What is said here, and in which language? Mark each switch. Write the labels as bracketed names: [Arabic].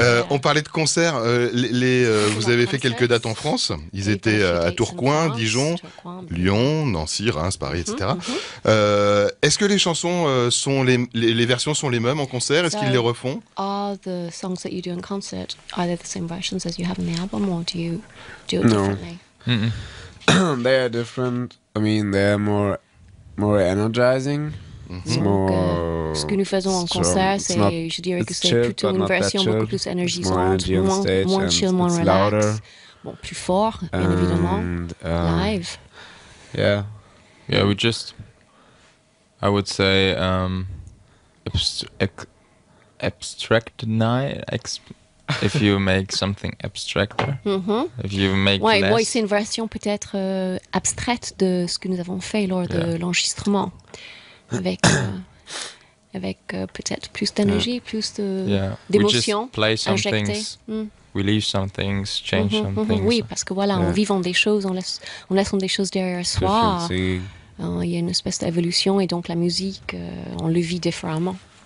[French] On parlait de concerts. Vous avez fait quelques dates en France. Ils étaient à Tourcoing, Dijon, Lyon, Nancy, Reims, Paris, etc. Est-ce que les chansons sont les versions sont les mêmes en concert? Est-ce qu'ils les refont? [English] Are the songs that you do in concert are they the same versions as you have in the album or do you do it differently? They are different. I mean, they are more energizing. [French] Donc, ce que nous faisons en concert, c'est, je dirais que c'est plutôt une version beaucoup plus énergisante, moins chill, moins relax, bon, plus fort, bien évidemment, live. [English] Yeah, we just, I would say, if you make something abstracter, if you make less. [French] Ouais, c'est une version peut-être abstraite de ce que nous avons fait lors de l'enregistrement. avec peut-être plus d'énergie, plus d'émotion injectée. [English] We leave some things, change some things. [French] Oui, parce que voilà, en vivant des choses, on laissant des choses derrière soi, il y a une espèce d'évolution et donc la musique, on le vit différemment.